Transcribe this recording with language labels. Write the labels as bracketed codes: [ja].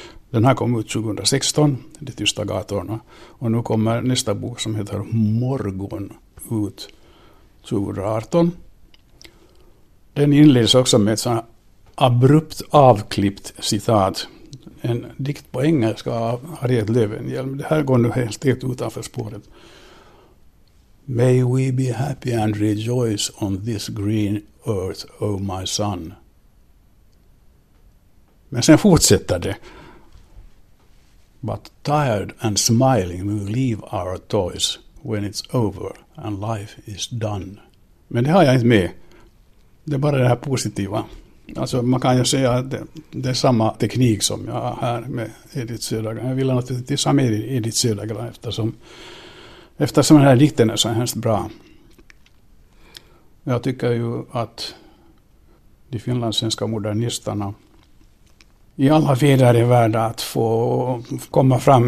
[sv] Den här kom ut 2016, De tysta gatorna. Och nu kommer nästa bok som heter Morgon ut 2018. Den inleds också med ett sådant abrupt avklippt citat. En dikt på engelska av Harriet Löwenhjelm. Det här går nu helt utanför spåret. [en] May we be happy and rejoice on this green earth, O my son. [sv] Men sen fortsätter det. [en] But tired and smiling we leave our toys when it's over and life is done. [sv] Men det har jag inte med. Det är bara det här positiva. Alltså man kan ju säga att det är samma teknik som jag har här med Edith Södergran. Jag vill naturligtvis ha med Edith Södergran eftersom den här dikten är så hemskt bra. Jag tycker ju att de finlandssvenska modernisterna i alla vidare är värda att få komma fram.